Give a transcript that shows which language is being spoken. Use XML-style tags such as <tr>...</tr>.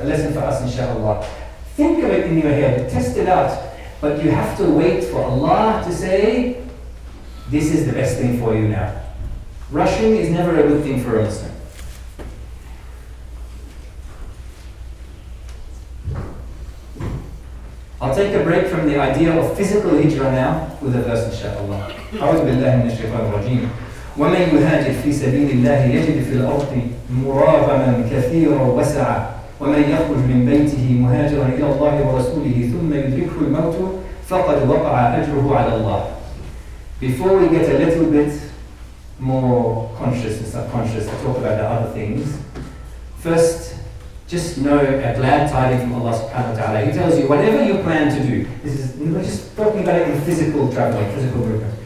<en>A lesson for us, inshaAllah. Think of it in your head, test it out, but you have to wait for Allah to say, this is the best thing for you now. Rushing is never a good thing for a Muslim. I'll take a break from the idea of physical hijrah now with a verse, inshaAllah.</en> <ar>أعوذ بالله من الشيطان الرجيم ومن يهاجر في سبيل الله يجد في الأرض مراغما كثيرا وسعا ومن يخرج من بيته مهاجرا إلى الله ورسوله ثم يدركه الموت فقد وقع أجره على الله.</ar> <en>Before we get a little bit more conscious and subconscious to talk about the other things, first, just know a glad tidings from Allah subhanahu wa ta'ala. He tells you, whatever you plan to do, this is, we're just talking about it in physical traveling, physical movement.</en>